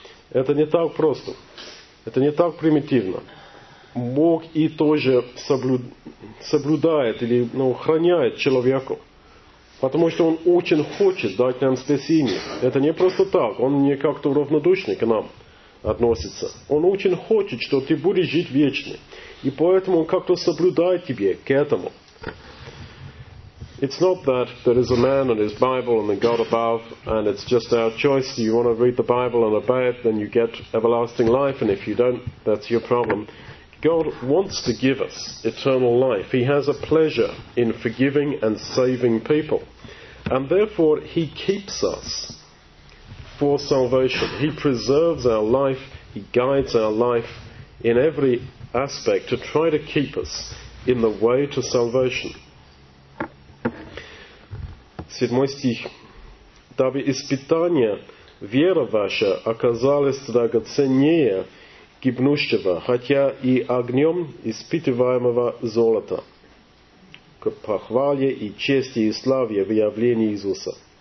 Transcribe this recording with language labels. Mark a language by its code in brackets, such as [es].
[ru] Это не так просто. Это не так примитивно. Бог и тоже соблюдает или охраняет человека. Потому что Он очень хочет дать нам спасение. Это не просто так. Он не как-то равнодушный к нам относится. Он очень хочет, что ты будешь жить вечно. И поэтому Он как-то соблюдает тебе к этому. [en] It's not that there is a man and his Bible and a God above, and it's just our choice. You want to read the Bible and obey it, then you get everlasting life, and if you don't, that's your problem. God wants to give us eternal life. He has a pleasure in forgiving and saving people. And therefore, he keeps us for salvation. He preserves our life. He guides our life in every aspect to try to keep us in the way to salvation. [ru] Седьмой стих. «Дабы испытания вера ваша оказалась драгоценнее гибнущего, хотя и огнем испытываемого золота, к похвале и чести и славе в явлении Иисуса».